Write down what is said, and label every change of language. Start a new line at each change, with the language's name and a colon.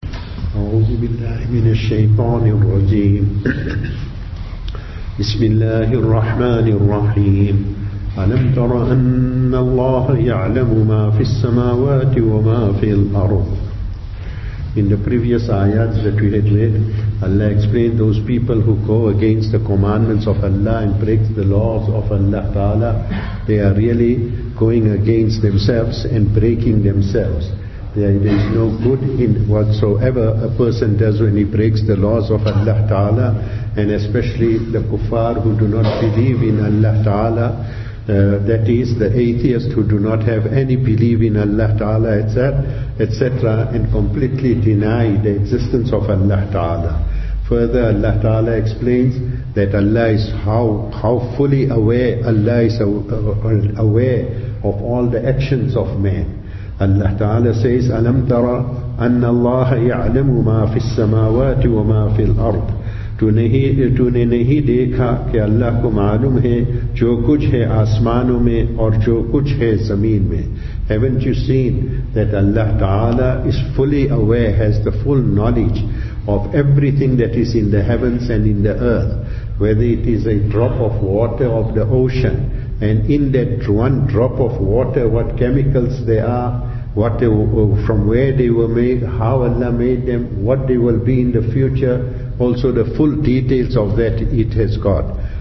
Arabic: أعوذ بالله من الشيطان الرجيم. بسم الله الرحمن الرحيم. ألم تر أن الله يعلم ما في السماوات وما في الأرض.
English: In the previous ayats that we had read, Allah explained those people who go against the commandments of Allah and breaks the laws of Allah Ta'ala, they are really going against themselves and breaking themselves. There is no good in whatsoever a person does when he breaks the laws of Allah Ta'ala, and especially the kuffar who do not believe in Allah Ta'ala, that is the atheists who do not have any belief in Allah Ta'ala, etc., and completely deny the existence of Allah Ta'ala. Further, Allah Ta'ala explains that Allah is how fully aware Allah is aware of all the actions of man.
Arabic: Allah Ta'ala says, أَلَمْ تَرَ أَنَّ اللَّهَ يَعْلَمُ مَا فِي السَّمَاوَاتِ وَمَا فِي الْأَرْضِ.
Urdu: تُو نے نہیں دیکھا کہ اللہ کو معلوم ہے جو کچھ ہے آسمانوں میں اور جو کچھ ہے زمین میں.
English: Haven't you seen that Allah Ta'ala is fully aware, has the full knowledge of everything that is in the heavens and in the earth, whether it is a drop of water of the ocean, and in that one drop of water what chemicals they are, from where they were made, how Allah made them, what they will be in the future, also the full details of that it has got.